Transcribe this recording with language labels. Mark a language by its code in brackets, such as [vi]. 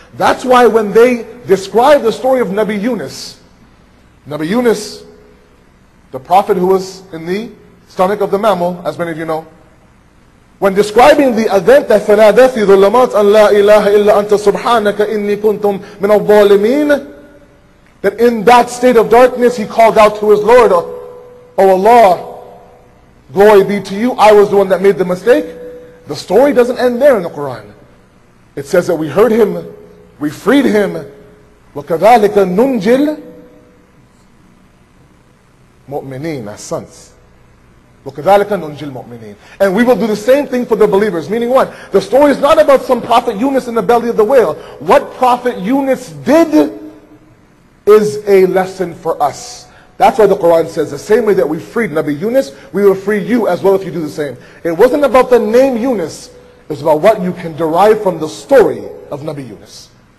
[en] That's why when they describe the story of Nabi Yunus, the prophet who was in the stomach of the mammal, as many of you know, when describing the event that [ar] فَنَادَ فِي ظُلَّمَاتِ أَنْ لَا إِلَهَ إِلَّا أَنْتَ سُبْحَانَكَ إِنِّي كُنْتُمْ مِنَ الظَّالِمِينَ, [en] that in that state of darkness he called out to his Lord, O Allah, glory be to you, I was the one that made the mistake. The story doesn't end there in the Quran. It says that we heard him, we freed him. [ar] وَكَذَلِكَ نُنْجِ الْمُؤْمِنِينَ [en] as sons. [ar] وَكَذَلِكَ نُنْجِ الْمُؤْمِنِينَ. [en] And we will do the same thing for the believers. Meaning what? The story is not about some Prophet Yunus in the belly of the whale. What Prophet Yunus did is a lesson for us. That's why the Quran says, the same way that we freed Nabi Yunus, we will free you as well if you do the same. It wasn't about the name Yunus. It was about what you can derive from the story of Nabi Yunus.